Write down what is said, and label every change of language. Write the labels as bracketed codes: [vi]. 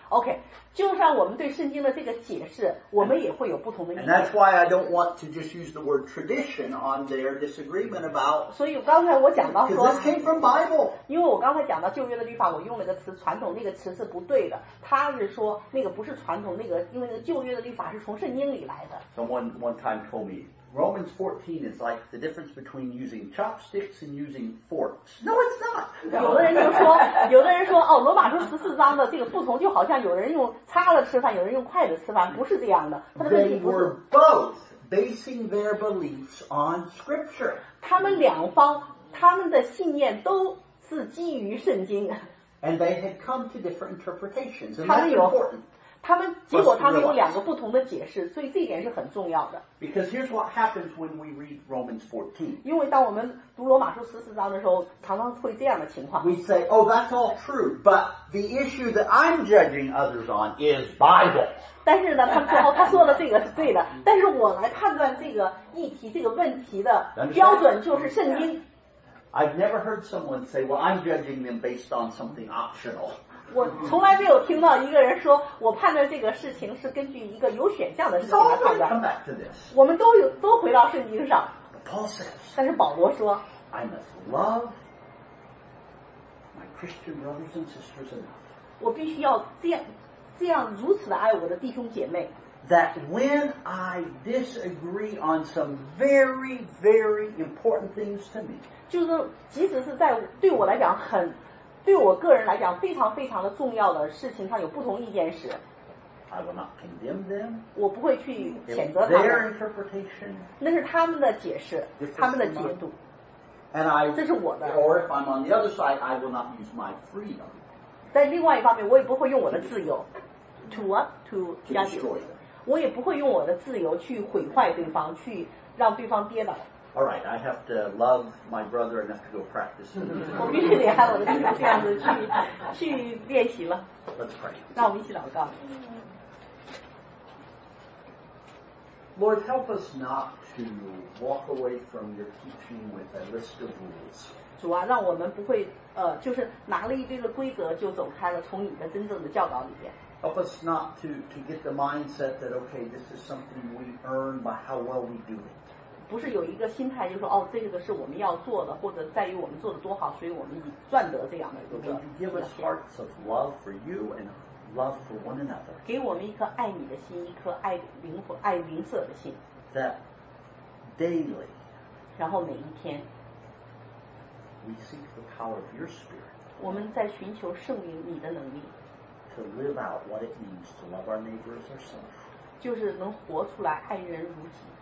[zh] OK, 就算我们对圣经的这个解释我们也会有不同的意见。 [en] And that's why I don't want to just use the word tradition on their disagreement about... [zh] 所以刚才我讲到说 [en] Because this came from Bible. [zh] 因为我刚才讲到旧约的律法我用了个词传统那个词是不对的。他是说那个不是传统那个因为那个旧约的律法是从圣经里来的。 [en] Someone one time told me, Romans 14 is like the difference between using chopsticks and using forks. No, it's not. [zh] 有的人就说有的人说哦罗马书十四章的这个不同就好像有人用叉子吃饭，有人用筷子吃饭，不是这样的。 [en] They were both basing their beliefs on scripture. [zh] 他们两方，他们的信念都是基于圣经。 [en] And they had come to different interpretations. [zh] 他们有，他们结果他们有两个不同的解释，所以这一点是很重要的。 [en] Because here's what happens when we read Romans 14. [zh] 因为当我们读罗马书十四章的时候，常常会这样的情况。 [en] We say, oh, that's all true, but the issue that I'm judging others on is Bible. [zh] 但是呢，他说他说的这个是对的，但是我来判断这个议题这个问题的标准就是圣经。 [en] I've never heard someone say, well, I'm judging them based on something optional. [zh] 我从来没有听到一个人说，我判断这个事情是根据一个有选项的事情来判断。 [en] Come back to this. [zh] 我们都有都回到圣经上。 [en] Paul says, [zh] 但是保罗说 [en] I must love my Christian brothers and sisters enough. [zh] 我必须要这样如此的爱我的弟兄姐妹。 [en] That when I disagree on some very, very important things to me. [zh] 就是即使是在对我来讲很对我个人来讲非常非常的重要的事情上有不同意见时 [en] I will not condemn them. [zh] 我不会去谴责他们 [en] their interpretation. [zh] 那是他们的解释他们的解读 [en] And I, [zh] 这是我的 [en] Or if I'm on the other side, I will not use my freedom. [zh] 在另外一方面我也不会用我的自由 [en] To what? To destroy them. [zh] 我也不会用我的自由去毁坏对方去让对方跌倒 [en] All right, I have to love my brother enough to go practice. [zh] 我必须得爱我的弟兄，这样子去练习了。 [en] Let's pray. [zh] 那我们一起祷告。 [en] Lord, help us not to walk away from your teaching with a list of rules. [zh] 主啊，让我们不会就是拿了一堆的规则就走开了，从你的真正的教导里边。 [en] Help us not to get the mindset that okay, this is something we earn by how well we do it. [zh] 不是有一个心态就是说哦这个是我们要做的或者在于我们做的多好所以我们以赚得这样的一个 [en] give us hearts of love for you and love for one another [zh] 给我们一颗爱你的心一颗爱灵魂爱灵舍的心 [en] that daily [zh] 然后每一天 [en] we seek the power of your spirit [zh] 我们在寻求圣灵你的能力 [en] to live out what it means to love our neighbor as ourselves [zh] 就是能活出来爱人如己